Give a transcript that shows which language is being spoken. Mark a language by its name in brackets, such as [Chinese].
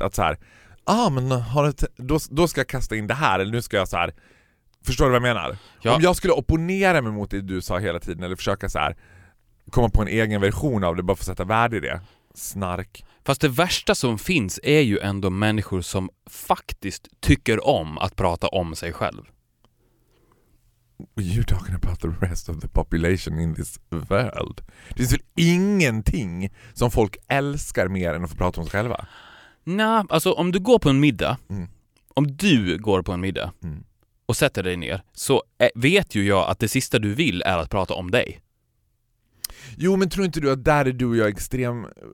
[Swedish] Att så här, ah, men har du då ska jag kasta in det här, eller nu ska jag så här, förstår du vad jag menar? Ja. Om jag skulle opponera mig mot det du sa hela tiden, eller försöka så här komma på en egen version av det, bara för att sätta värde i det. Snark. Fast det värsta som finns är ju ändå människor som faktiskt tycker om att prata om sig själv. [English] You're talking about the rest of the population in this world. [Swedish] Det finns väl ingenting som folk älskar mer än att få prata om sig själva? Nej, alltså om du går på en middag, om du går på en middag och sätter dig ner, så vet ju jag att det sista du vill är att prata om dig. Jo, men tror inte du att där är du och jag extrem...